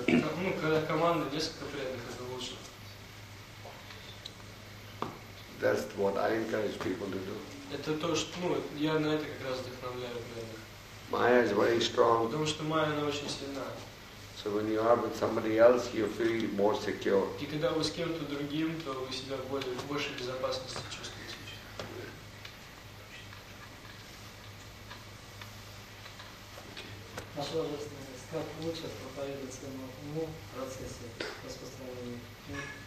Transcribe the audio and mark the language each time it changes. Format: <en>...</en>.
<ru>Ну когда команда несколько преданных, это лучше.</ru> <en>That's what I encourage people to do.</en> <ru>Это то, что, ну, я на это как раз вдохновляю преданных.</ru> <en>Майя is very strong.</en> <ru>Потому что майя, она очень сильна.</ru> <en>So when you are with somebody else, you feel more secure.</en> <ru>И когда вы с кем-то другим, то вы себя более, в большей безопасности чувствуете. Наша как лучше проповедовать своему уму в процессе распространения книг?</ru>